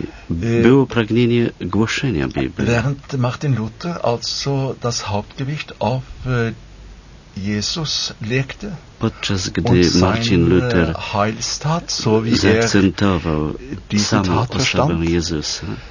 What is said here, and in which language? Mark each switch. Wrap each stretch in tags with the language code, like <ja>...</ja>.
<pl>Było pragnienie głoszenia Biblii.</pl> <de>Während Martin Luther also das Hauptgewicht auf Jesus legte,</de> <pl>podczas gdy Martin Luther zaakcentował samą osobę Jezusa,</pl>